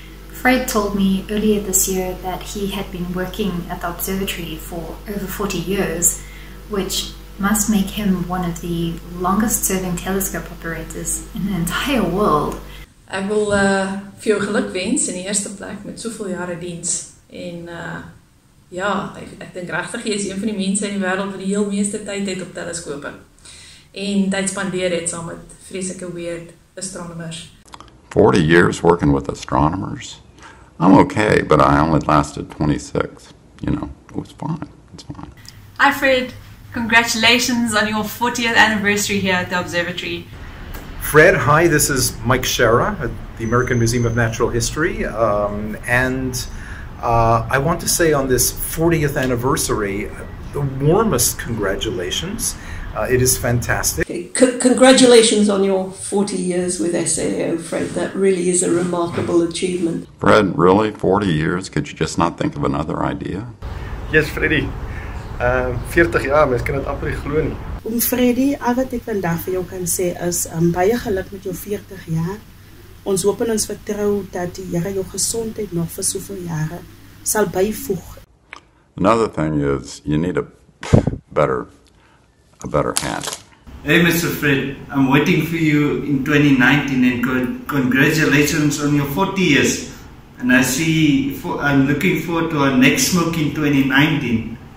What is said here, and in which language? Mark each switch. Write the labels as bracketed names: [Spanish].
[English] Fred told me earlier this year that he had been working at the observatory for over 40 years, which must make him one of the longest serving telescope operators in the entire world. [Afrikaans] Ek wil vir jou geluk wens in die eerste plek met soveel jare diens. En ja, ek dink regtig jy is een van die mense in die wêreld wat die heel meeste tyd het op teleskope. En tyd spandeer het saam met vreeslike weird astronomers. [English] 40 years working with astronomers. I'm okay, but I only lasted 26. You know, it was fine. It's fine. Hi, Fred. Congratulations on your 40th anniversary here at the observatory. Fred, hi. This is Mike Shera at the American Museum of Natural History. I want to say on this 40th anniversary, the warmest congratulations. It is fantastic. Okay. Congratulations on your 40 years with SAAO, Fred. That really is a remarkable achievement. Fred, really? 40 years? Could you just not think of another idea? [Afrikaans] Yes, Freddy. 40 jaar, mens kan dit amper nie glo nie. Om Freddy, al wat ek vandag vir jou kan sê is, baie geluk met jou 40 jaar. Ons hoop en ons vertrou dat die Here jou gesondheid nog vir soveel jare sal byvoeg. [English] Another thing is, you need a better hat. Hey, Mr. Fred, I'm waiting for you in 2019 and congratulations on your 40 years. And I'm looking forward to our next smoke in 2019.